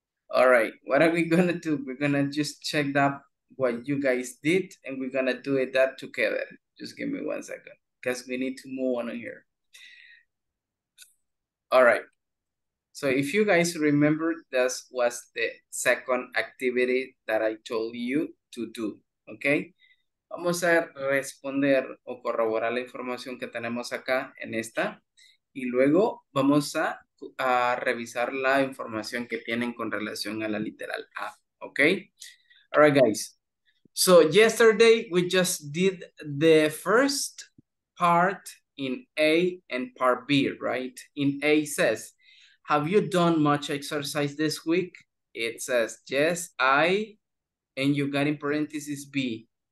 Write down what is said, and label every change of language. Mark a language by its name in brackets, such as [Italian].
[English] All right, what are we going to do? We're going to just check up what you guys did and we're going to do it that together. Just give me 1 second because we need to move on here. All right. So if you guys remember, this was the second activity that I told you to do, okay? [Spanish] Vamos a responder o corroborar la información que tenemos acá en esta y luego vamos a revisar la información que tienen con relación a la literal A, okay? [English] All right, guys. So yesterday we just did the first part in A and part B, right? In A says, have you done much exercise this week? It says, yes, I, and you got in parentheses B.